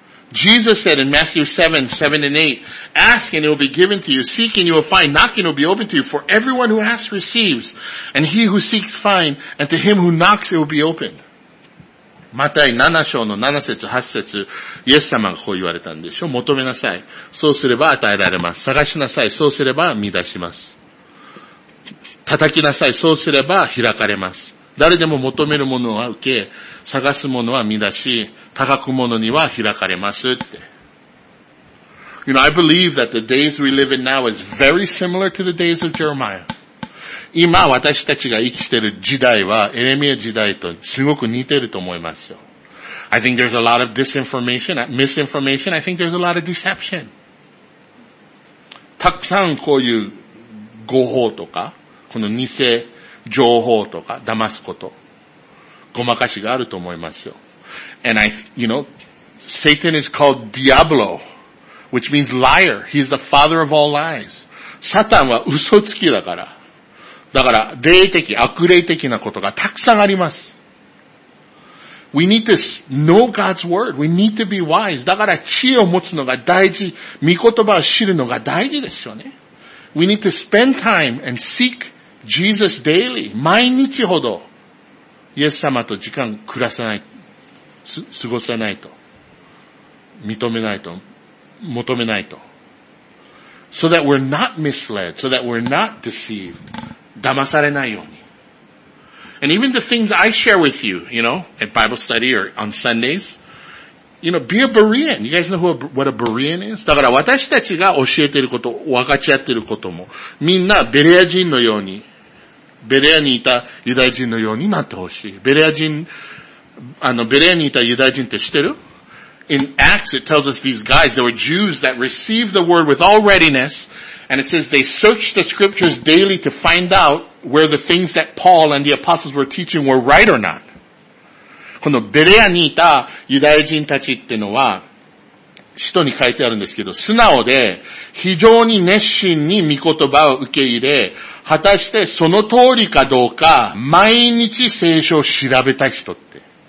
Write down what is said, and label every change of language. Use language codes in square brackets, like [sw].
[en] Jesus said in Matthew 7:7-8, ask and it will be given to you, seek and you will find, knock and it will be opened to you, for everyone who asks receives, and he who seeks finds, and to him who knocks it will be opened. [ja] マタイ7章の7節8節イエス様がこう言われたんでしょ求めなさいそうすれば与えられます探しなさいそうすれば見出します叩きなさいそうすれば開かれます誰でも求めるものは受け探すものは見出し高くものには開かれますって [en] You know, I believe that the days we live in now is very similar to the days of Jeremiah. [ja] 今私たちが生きている時代はエレミア時代とすごく似ていると思いますよ。 [en] I think there's a lot of disinformation, misinformation. I think there's a lot of deception. [ja] たくさんこういう誤報とか、この偽情報とか、騙すこと、ごまかしがあると思いますよ。 [en] And I, you know, Satan is called Diablo, which means liar. He's the father of all lies. [ja] サタンは嘘つきだから。だから霊的悪霊的なことがたくさんあります。 [en] We need to know God's word. We need to be wise. [ja] だから知恵を持つのが大事、御言葉を知るのが大事ですよね。 [en] We need to spend time and seek Jesus daily. [ja] 毎日ほどイエス様と時間暮らさない、過ごさないと、認めないと、求めないと。 [en] So that we're not misled. So that we're not deceived. [ja] 騙されないように。 [en] And even the things I share with you, you know, at Bible study or on Sundays, you know, be a Berean. You guys know what a Berean is? [ja] だから私たちが教えていること、分かち合っていることも、みんなベレア人のように、ベレアにいたユダヤ人のようになってほしい。ベレア人、ベレアにいたユダヤ人って知ってる? [en] In Acts, it tells us these guys, there were Jews that received the word with all readiness,And it says they searched the scriptures daily to find out where the things that Paul and the apostles were teaching were right or not. [ja] このベレアにいたユダヤ人たちってのは、使徒に書いてあるんですけど、素直で非常に熱心に御言葉を受け入れ、果たしてその通りかどうか毎日聖書を調べた人って。